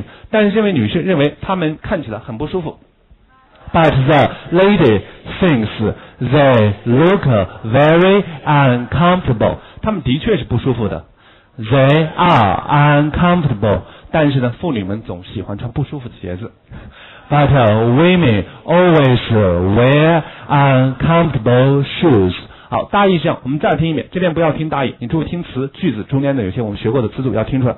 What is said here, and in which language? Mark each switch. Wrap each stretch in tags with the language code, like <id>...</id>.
<zh>但是这位女士认为他们看起来很不舒服。</zh> <en>But the lady thinks they look very uncomfortable.</en> <zh>他们的确是不舒服的。</zh> <en>They are uncomfortable.</en> <zh>但是呢，妇女们总喜欢穿不舒服的鞋子。</zh> <en>But women always wear uncomfortable shoes.</en> <zh>好，大意是这样，我们再听一遍，这边不要听大意，你注意听词，句子中间的有些我们学过的词组要听出来。</zh>